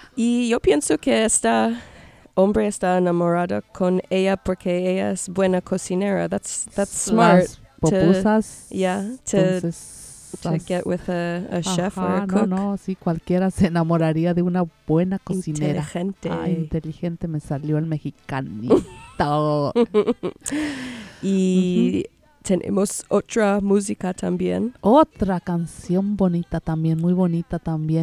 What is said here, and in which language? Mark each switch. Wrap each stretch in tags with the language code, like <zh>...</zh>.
<es>Y yo pienso que este hombre está enamorado con ella porque ella es buena cocinera.</es> <en>That's smart.</en> <es>Las pupusas.</es> <en>To get with a chef or a cook.</en> <es>No, sí, cualquiera se enamoraría de una buena cocinera. Inteligente. Ay, inteligente, me salió el mexicanito. Y tenemos otra música también. Otra canción bonita también, muy bonita también.</es>